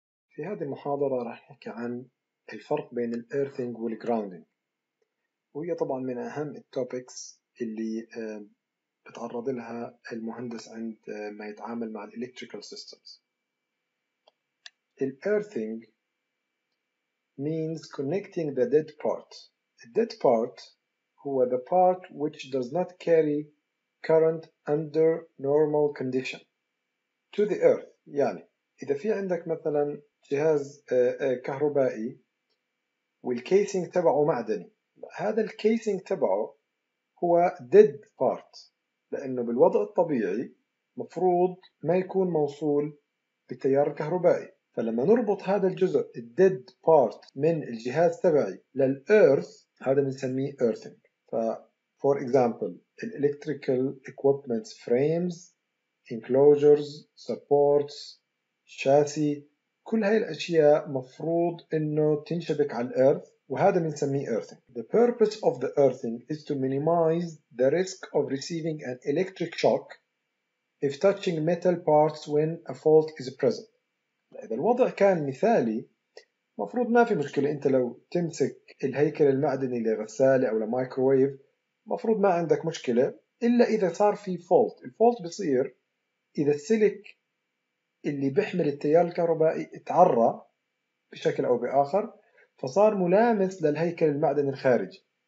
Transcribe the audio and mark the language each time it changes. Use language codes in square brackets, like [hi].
[ar] في هذه المحاضرة راح نحكي عن الفرق بين الإيرثينج والجراوندينج، وهي طبعا من أهم التوبكس اللي بتعرض لها المهندس عند ما يتعامل مع الإلكتريكال سيستمز. [en] الإيرثينج means connecting the dead part. The dead part [ar] هو [en] the part which does not carry current under normal condition to the earth. [ar] يعني إذا في عندك مثلا جهاز كهربائي والكيسينج تبعه معدني، هذا الكيسينج تبعه هو dead part، لأنه بالوضع الطبيعي مفروض ما يكون موصول بالتيار الكهربائي. فلما نربط هذا الجزء dead part من الجهاز تبعي للأرث هذا بنسميه earthing. [en] For example, electrical equipment frames, enclosures, supports, chassis، [ar] كل هاي الأشياء مفروض إنه تنشبك على الأرث، وهذا بنسميه earthing. [en] The purpose of the earthing is to minimize the risk of receiving an electric shock if touching metal parts when a fault is present. [ar] إذا الوضع كان مثالي مفروض ما في مشكلة، أنت لو تمسك الهيكل المعدني لغسالة أو لمايكروويف مفروض ما عندك مشكلة، إلا إذا صار في فولت. الفولت بيصير إذا السلك اللي بيحمل التيار الكهربائي اتعرى بشكل أو بآخر فصار ملامس للهيكل المعدني الخارجي.